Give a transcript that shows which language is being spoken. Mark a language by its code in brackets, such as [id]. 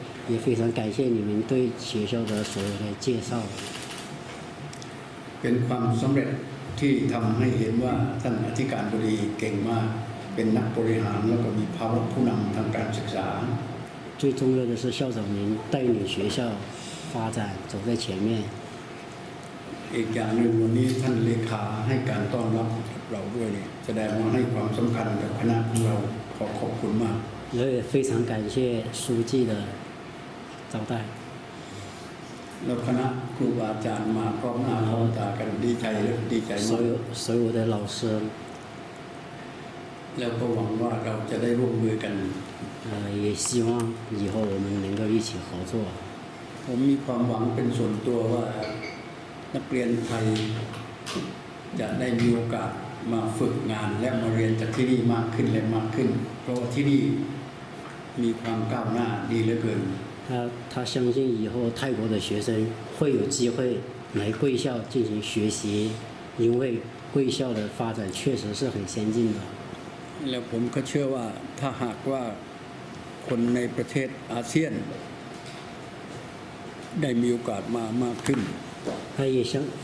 [zh] 也非常感谢你们对学校的所有的介绍 [th] เป็นความสำเร็จที่ทำให้เห็นว่าท่านอธิการบดีเก่งมากเป็นนักบริหารแล้วก็มีภาวะผู้นำทางการศึกษา [zh] 最重要的是校长您带领学校发展走在前面 [th] อีกอย่างนึงวันนี้ท่านเลขาให้การต้อนรับเราด้วยเนี่ยแสดงว่าให้ความสำคัญกับคณะของเราขอขอบคุณมาก [zh] 我也非常感谢书记的招待 [th] แล้วคณะครูบาอาจารย์มาพร้อมหน้าพร้อมตากันดีใจเลยดีใจมาก สวัสดีท่านผู้ช่วย แล้วก็หวังว่าเราจะได้ร่วมมือกัน ยังหวัง [zh] 以后我们能够一起合作 [th] ผมมีความหวังเป็นส่วนตัวว่านักเรียนไทยจะได้มีโอกาสมาฝึกงานและมาเรียนจากที่นี่มากขึ้นและมากขึ้นเพราะที่นี่มีความก้าวหน้าดีเหลือเกิน [zh] 他相信以后泰国的学生会有机会来贵校进行学习，因为贵校的发展确实是很先进的。 [th] แล้วผมก็เชื่อว่าถ้าหากว่าคนในประเทศอาเซียนได้มีโอกาสมามากขึ้น，